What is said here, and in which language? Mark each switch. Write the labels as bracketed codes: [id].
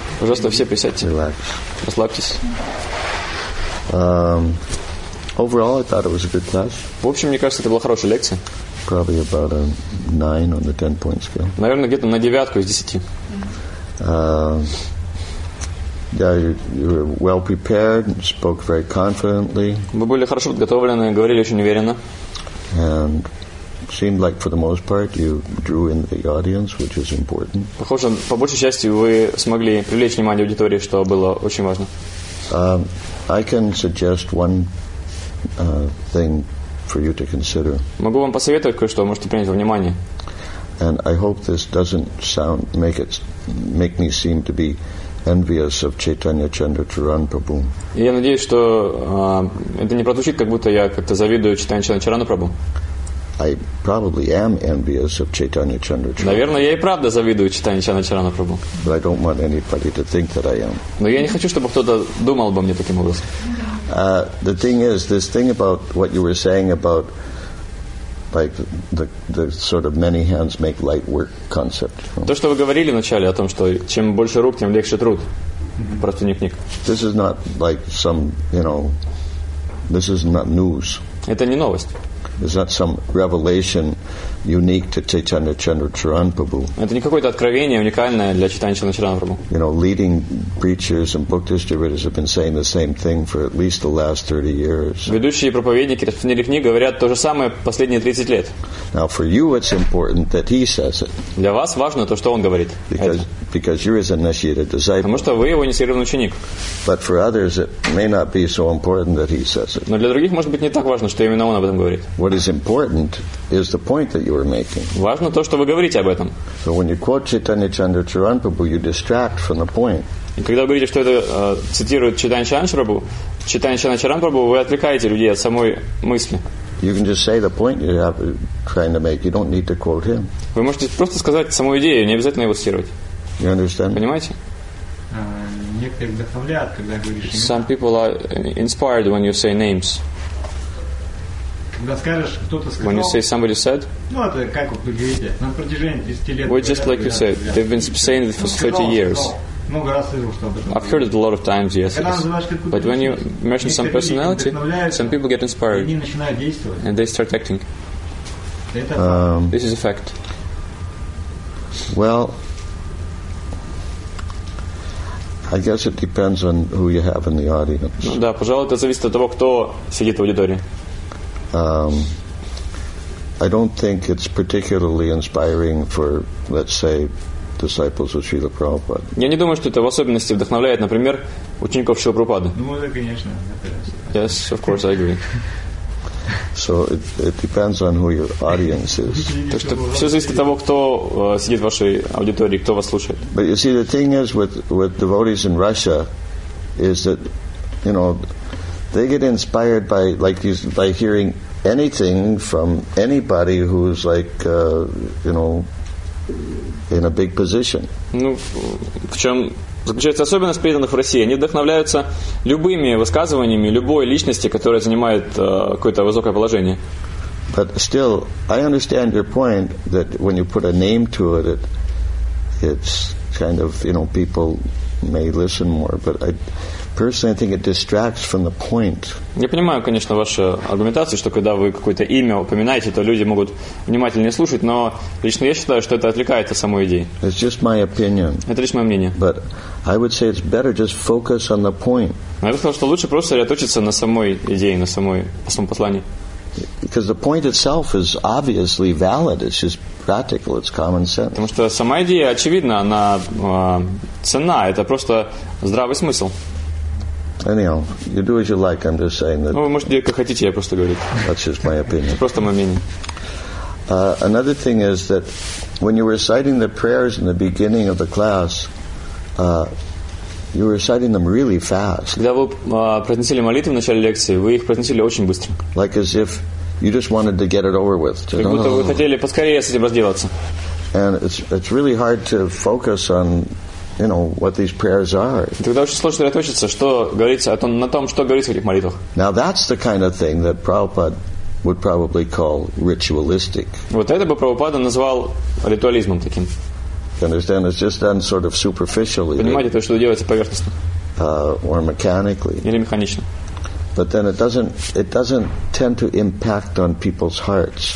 [ru] Пожалуйста, все присядьте. [en] Relax. [ru] Расслабьтесь. [en] Overall, I thought it was a good class. [ru] В общем, мне кажется, это была хорошая лекция. [en] Probably about a 9 on the 10-point scale. [ru] Наверное, где-то на девятку из десяти. [en] Yeah, you were well prepared, spoke very confidently. [ru] Вы были хорошо подготовлены, говорили очень уверенно. [en] And seemed like for the most part you drew in the audience, which is important. [ru] Похоже, по большей части вы смогли привлечь внимание аудитории, что было очень важно. [en] I can suggest one thing for you to consider. [ru] Могу вам посоветовать кое-что, можете принять во внимание. [en] And I hope this doesn't sound make me seem to be envious of Chaitanya Chandracharan Prabhu. [ru] Я надеюсь, что это не прозвучит, как будто я как-то завидую Чайтанья Чандрачарану Прабху. [en] I probably am envious of Chaitanya Chandrachana. [ru] Наверное, я и правда завидую Чайтанья Чандрачарана Прабху. [en] But I don't want anybody to think that I am. [ru] Но я не хочу, чтобы кто-то думал обо мне таким образом. [en] The thing is, this thing about what you were saying about like the sort of many hands make light work concept. [ru] То, что вы говорили вначале о том, что чем больше рук, тем легче труд. Просто не книг. [en] This is not like some, you know, this is not news. [ru] Это не новость. [en] Is that some revelation unique to Chaitanya Chandracharan Prabhu? [ru] Это не какое-то откровение уникальное для Чайтаньи Чандрачарана Прабху. [en] You know, leading preachers and book distributors have been saying the same thing for at least the last 30 years. [ru] Ведущие проповедники распространили книги говорят то же самое последние 30 лет. [en] Now for you it's important that he says it. [ru] Для вас важно то, что он говорит. [en] Because you're his initiated disciple. [ru] Потому что вы его инициированный ученик. [en] But for others it may not be so important that he says it. [ru] Но для других может быть не так важно, что именно он об этом говорит. [en] What is important is the point that you are making. [ru] Важно то, что вы говорите об этом. [en] So when you quote Chaitanya Chandracharan Prabhu, you distract from the point. [ru] И когда вы говорите, что это цитирует Чайтанья Чандрачарана Прабху, вы отвлекаете людей от самой мысли. [en] You can just say the point you have trying to make. You don't need to quote him. [ru] Вы можете просто сказать саму идею, не обязательно его цитировать. [en] You understand? [ru] Понимаете? Некоторые вдохновляют, когда говоришь имена. [en] Some people are inspired when you say names. When you say somebody said, well, just like you said, they've been saying it for 30 years. I've heard it a lot of times, yes. But when you mention some personality, some people get inspired and they start acting. This is a fact. Well, I guess it depends on who you have in the audience. [ru] Да, пожалуй, это зависит от того, кто сидит в аудитории. [en] I don't think it's particularly inspiring for, let's say, disciples of Srila Prabhupada. [ru] Я не думаю, что это в особенности вдохновляет, например, учеников Шрилы Прабхупады. Ну, конечно. [en] Yes, of course, I agree. So it depends on who your audience is. [ru] То есть все зависит от того, кто сидит в вашей аудитории, кто вас слушает. [en] But you see, the thing is with devotees in Russia is that, you know, they get inspired by like these, by hearing anything from anybody who's like you know in a big position. [ru] Ну, в чем заключается особенность преданных в России? Они вдохновляются любыми высказываниями любой личности, которая занимает какое-то высокое положение. [en] But still, I understand your point that when you put a name to it, it's kind of, you know, people may listen more, but I personally, I think it distracts from the point. [ru] Я понимаю, конечно, вашу аргументацию, что когда вы какое-то имя упоминаете, то люди могут внимательнее слушать, но лично я считаю, что это отвлекает от самой идеи. [en] It's just my opinion. [ru] Это лишь мое мнение. [en] But I would say it's better just focus on the point. [ru] Я бы сказал, что лучше просто сосредоточиться на самой идее, на самой, на самом послании. [en] Because the point itself is obviously valid. It's just practical. It's common sense. [ru] Потому что сама идея очевидна, она ценна. Это просто здравый смысл. [en] Anyhow, you do as you like. I'm just saying that. [ru] Ну, вы можете делать, как хотите, я просто говорю. [en] That's just my opinion. [ru] Это просто мое мнение. [en] Another thing is that when you're reciting the prayers in the beginning of the class, you're reciting them really fast. [ru] Когда вы произносили молитвы в начале лекции, вы их произносили очень быстро. [en] Like as if you just wanted to get it over with. [ru] Как будто вы хотели поскорее с этим разделаться. [en] And it's really hard to focus on, you know, what these prayers are. [ru] Тогда очень сложно сосредоточиться, что говорится о том, на том, что говорится в этих молитвах. [en] Now that's the kind of thing that Prabhupada would probably call ritualistic. [ru] Вот это бы Прабхупада назвал ритуализмом таким. [en] You understand? It's just done sort of superficially. [ru] Понимаете, то, что делается поверхностно. [en] Or mechanically. [ru] Или механично. [en] But then it doesn't tend to impact on people's hearts.